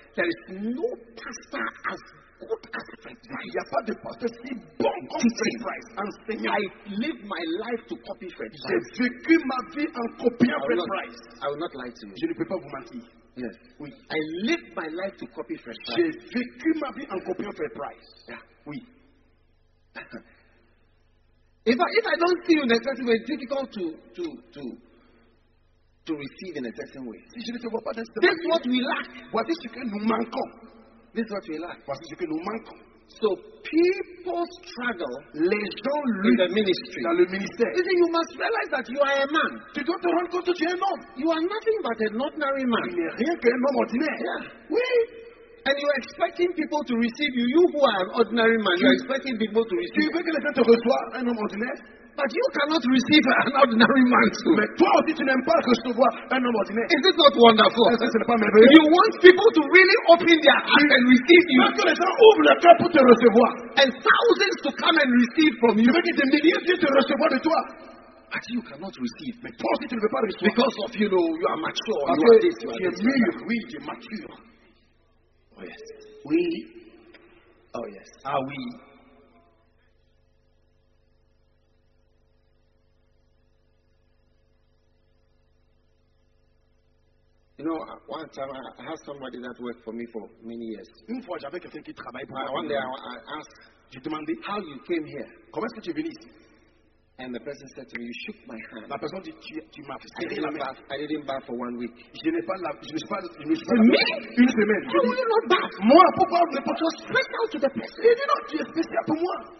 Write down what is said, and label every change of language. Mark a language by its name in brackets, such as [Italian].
[English] there is no pastor as good as Fred Price, [French] il n'y a pas de pasteur si bon comme Fred Price, [English] enseignant. I live my life to copy Fred Price, [French] j'ai vécu ma vie en copiant Fred Price. [English] I will not lie to you. [French] Je ne peux pas vous mentir. [English] Yes. [French] Oui. [English] I live my life to copy Fred Price. [French] J'ai vécu ma vie en copiant Fred Price. [English] Yeah. [French] Oui. [English] If I don't see you in a certain way, it's difficult to receive in a certain way. [French] Si je ne te vois pas dans [English] ce this is what we lack. [French] Voici ce que nous manquons. [English] This is what we lack. [French] Voici ce que nous manquons. [English] So people struggle, [French] les gens [English] luttent in the ministry, [French] dans le ministère. [English] You see, you must realize that you are a man. [French] Tu dois te rendre compte que tu es un homme. [English] You are nothing but an ordinary man. [French] Tu n'es rien qu'un homme ordinaire. [English] Yeah. [French] Oui. [English] And you are expecting people to receive you. You who are an ordinary man, you are expecting people to receive you. [French] Tu veux que les gens te reçoivent, un homme ordinaire? [English] But you cannot receive an ordinary man too. [French] Mais toi aussi tu n'aimes pas recevoir un homme ordinaire. [English] Is this not wonderful? [French] Ce n'est pas merveilleux? [English] You want people to really open their hearts and receive you. [French] Parce que les gens ouvrent leur cœur pour te recevoir. [English] And thousands to come and receive from you. [French] Tu veux que des milliers viennent te recevoir de toi. [English] But you cannot receive. [French] Mais toi aussi tu ne veux pas recevoir. [English] Because of you know you are mature. [French] Parce [English] you are this. You are [French] mûr. Oui, tu es mature. [English] Oh yes. [French] Oui. [English] Oh yes. [French] Ah oui. [English] You know, one time I had somebody that worked for me for many years. [French] Une fois, j'avais quelqu'un qui travaillait pour moi. [English] One day I asked, [French] j'ai demandé, [English] how you came here? [French] Comment est-ce que tu es venu ici? [English] And the person said to me, you shook my hand. [French] La personne dit, tu m'as serré la main. [English] I didn't bath for 1 week. [French] Je n'ai pas lavé. Une semaine. [English] How will you not bath? [French] Moi, pourquoi? Mais parce que tu es spécial [English] to the person. [French] Il dit non, tu es spécial pour moi.